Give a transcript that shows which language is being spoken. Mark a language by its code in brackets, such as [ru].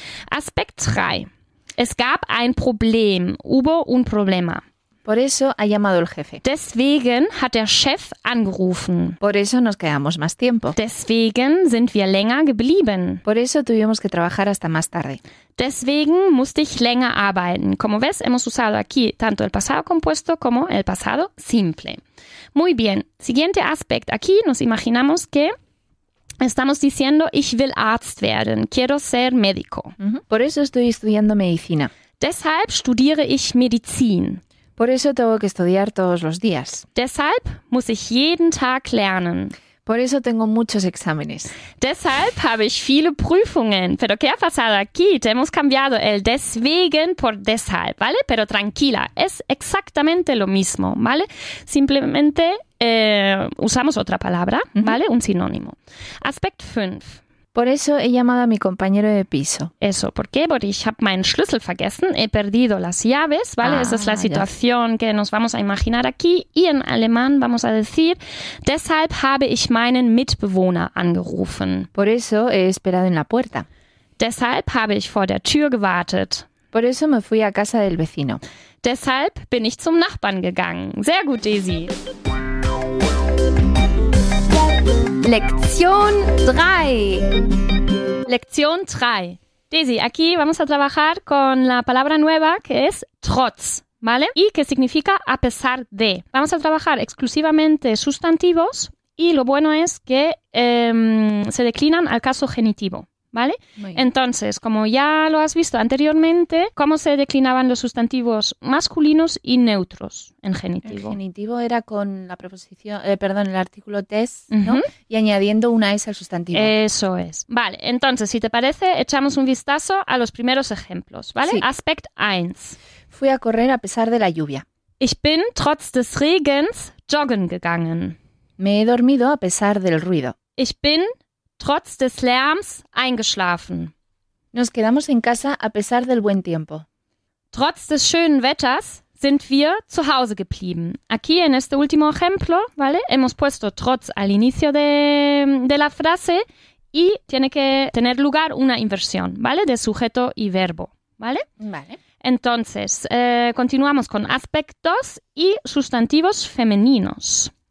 [de] Aspect 3. Es gab ein Problem. [es] Hubo un problema. Por eso ha llamado el jefe. [de] Deswegen hat der Chef angerufen. [es] Por eso nos quedamos más tiempo. [de] Deswegen sind wir länger geblieben. [es] Por eso tuvimos que trabajar hasta más tarde. [de] Deswegen musste ich länger arbeiten. [es] Como ves, hemos usado aquí tanto el pasado compuesto como el pasado simple. Muy bien. Siguiente aspecto. Aquí nos imaginamos que estamos diciendo, [de] ich will Arzt werden. [es] Quiero ser médico. Por eso estoy estudiando medicina. [de] Deshalb studiere ich Medizin. [es] Por eso tengo que estudiar todos los días. [de] Deshalb muss ich jeden Tag lernen. [es] Por eso tengo muchos exámenes. [de] Deshalb habe ich viele Prüfungen. [es] Pero ¿qué ha pasado aquí? Te hemos cambiado el deswegen por deshalb, ¿vale? Pero tranquila, es exactamente lo mismo, ¿vale? Simplemente usamos otra palabra, ¿vale? Un sinónimo. Aspect 5. Por eso he llamado a mi compañero de piso. Eso, ¿por qué? Porque [de] ich habe meinen Schlüssel vergessen, [es] he perdido las llaves, ¿vale? Ah, esa es la situación que nos vamos a imaginar aquí. Y en alemán vamos a decir, [de] deshalb habe ich meinen Mitbewohner angerufen. [es] Por eso he esperado en la puerta. [de] Deshalb habe ich vor der Tür gewartet. [es] Por eso me fui a casa del vecino. [de] Deshalb bin ich zum Nachbarn gegangen. Sehr gut, Daisy. [es] Lección 3. Lección 3. Daisy, aquí vamos a trabajar con la palabra nueva que es trotz, ¿vale? Y que significa a pesar de. Vamos a trabajar exclusivamente sustantivos y lo bueno es que se declinan al caso genitivo, ¿vale? Entonces, como ya lo has visto anteriormente, ¿cómo se declinaban los sustantivos masculinos y neutros en genitivo? El genitivo era con la preposición, el artículo des, ¿no? Y añadiendo una S al sustantivo. Eso es. Vale, entonces, si te parece, echamos un vistazo a los primeros ejemplos, ¿vale? Sí. Aspect 1. Fui a correr a pesar de la lluvia. [de] Ich bin trotz des Regens joggen gegangen. [es] Me he dormido a pesar del ruido. [de] Ich bin trotz des Lärms eingeschlafen. [es] Nos quedamos en casa a pesar del buen tiempo. [de] Trotz des schönen Wetters sind wir zu Hause geblieben. [es] Aquí en este último ejemplo, ¿vale? Hemos puesto trotz al inicio de la frase y tiene que tener lugar una inversión, ¿vale? De sujeto y verbo, ¿vale? Vale. Entonces, continuamos con aspectos y sustantivos femeninos.